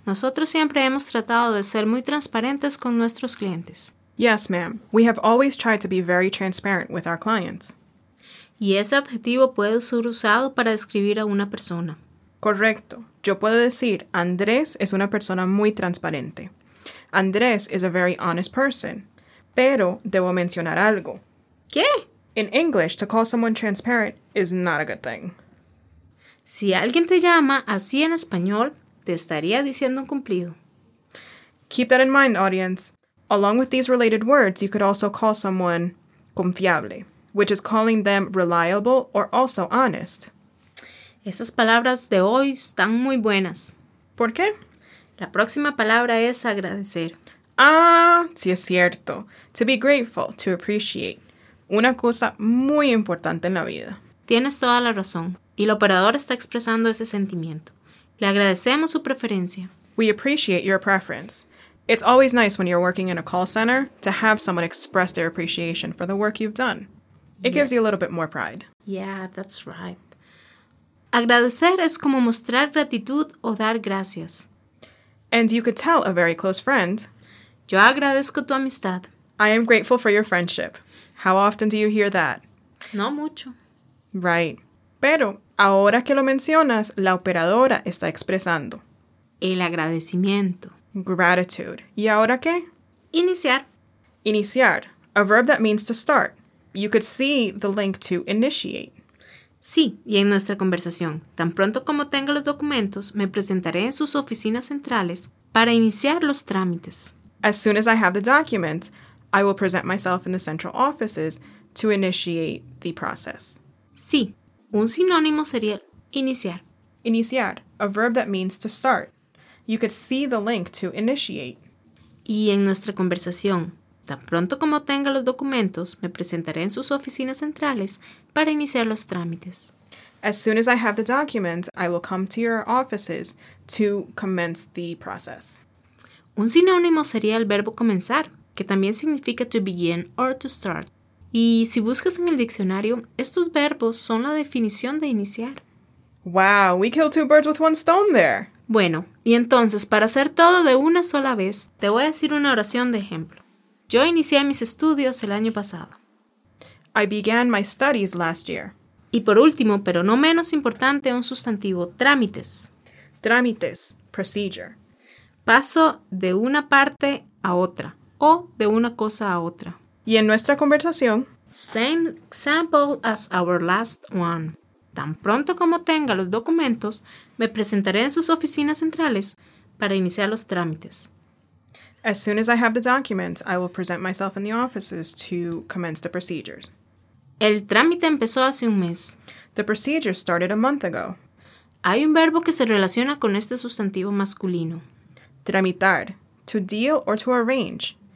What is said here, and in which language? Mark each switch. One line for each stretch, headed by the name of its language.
Spanish: Nosotros siempre hemos tratado de ser muy transparentes con nuestros clientes.
English: Yes, ma'am. We have always tried to be very transparent with our clients.
Spanish: Y ese adjetivo puede ser usado para describir a una persona. Correcto. Yo puedo decir, Andrés es una persona muy transparente.
English: Andrés is a very honest person.
Spanish: Pero debo mencionar algo. ¿Qué?
English: In English, to call someone transparent is not a good thing.
Spanish: Si alguien te llama así en español, te estaría diciendo un cumplido.
English: Keep that in mind, audience. Along with these related words, you could also call someone confiable, which is calling them reliable or also honest.
Spanish: Esas palabras de hoy están muy buenas. ¿Por qué? La próxima palabra es agradecer. Ah, sí es cierto.
English: To be grateful, to appreciate.
Spanish: Una cosa muy importante en la vida. Tienes toda la razón. Y el operador está expresando ese sentimiento. Le agradecemos su preferencia.
English: We appreciate your preference. It's always nice when you're working in a call center to have someone express their appreciation for the work you've done. It gives you a little bit more pride. Yeah, that's right.
Spanish: Agradecer es como mostrar gratitud o dar gracias.
English: And you could tell a very close friend.
Spanish: Yo agradezco tu amistad.
English: I am grateful for your friendship. How often do you hear that?
Spanish: No mucho.
English: Right.
Spanish: Pero ahora que lo mencionas, la operadora está expresando. El agradecimiento. Gratitude. ¿Y ahora qué? Iniciar.
English: Iniciar. A verb that means to start. You could see the link to initiate.
Spanish: Sí, y en nuestra conversación, tan pronto como tenga los documentos, me presentaré en sus oficinas centrales para iniciar los trámites.
English: As soon as I have the documents, I will present myself in the central offices to initiate the process.
Spanish: Sí, un sinónimo sería iniciar.
English: Iniciar, a verb that means to start. You could see the link to initiate.
Spanish: Y en nuestra conversación, tan pronto como tenga los documentos, me presentaré en sus oficinas centrales para iniciar los trámites.
English: As soon as I have the documents, I will come to your offices to commence the process.
Spanish: Un sinónimo sería el verbo comenzar, que también significa
English: to begin or to start.
Spanish: Y si buscas en el diccionario, estos verbos son la definición de iniciar.
English: Wow, we killed two birds with one stone there.
Spanish: Bueno, y entonces, para hacer todo de una sola vez, te voy a decir una oración de ejemplo. Yo inicié mis estudios el año pasado.
English: I began my studies last year.
Spanish: Y por último, pero no menos importante, un sustantivo, trámites. Trámites, procedure. Paso de una parte a otra, o de una cosa a otra. Y en nuestra conversación...
English: Same example as our last one.
Spanish: Tan pronto como tenga los documentos, me presentaré en sus oficinas centrales para iniciar los trámites.
English: As soon as I have the documents, I will present myself in the offices to commence the procedures.
Spanish: El trámite empezó hace un mes.
English: The procedure started a month ago.
Spanish: Hay un verbo que se relaciona con este sustantivo masculino.
English: Tramitar, to deal or to arrange.